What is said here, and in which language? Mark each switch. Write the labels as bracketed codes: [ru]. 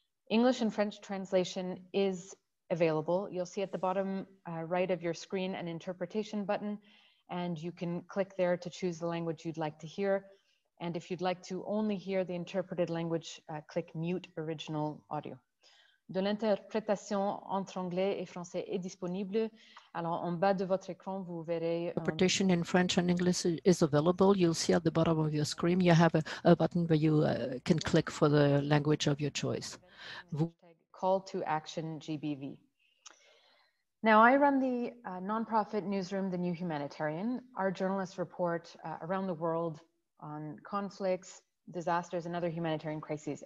[en] English and French translation is available. You'll see at the bottom right of your screen an interpretation button, and you can click there to choose the language you'd like to hear. And if you'd like to only hear the interpreted language, click mute original audio. [fr] De l'interprétation entre anglais et français est disponible. Alors, en bas de votre écran, vous verrez... [en] Interpretation in French and English is available. You'll see at the bottom of your screen, you have a button where you can click for the language of your choice. Call to action GBV. Now, I run the nonprofit newsroom, The New Humanitarian. Our journalists report around the world on conflicts, disasters, and other humanitarian crises.